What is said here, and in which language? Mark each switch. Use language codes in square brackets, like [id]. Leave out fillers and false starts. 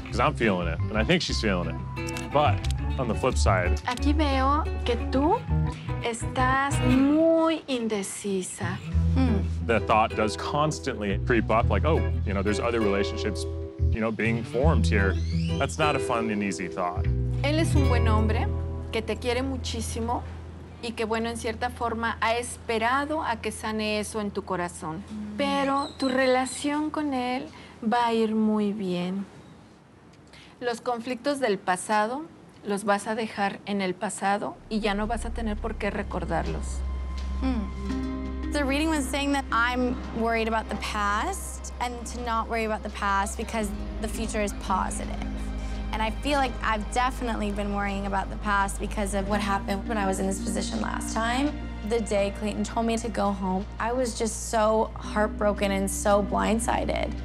[en] Because I'm feeling it, and I think she's feeling it. But on the flip side, [es] aquí veo que tú estás muy indecisa. [en] The thought does constantly creep up, like, oh, you know, there's other relationships, you know, being formed here. That's not a fun and easy thought. [es] Él es un buen hombre que te quiere muchísimo y que, bueno, en cierta forma, ha esperado a que sane eso en tu corazón. Pero tu relación con él va a ir muy bien. Los conflictos del pasado los vas a dejar en el pasado y ya no vas a tener por qué recordarlos. [en] The reading was saying that I'm worried about the past and to not worry about the past because the future is positive. And I feel like I've definitely been worrying about the past because of what happened when I was in this position last time. The day Clayton told me to go home, I was just so heartbroken and so blindsided.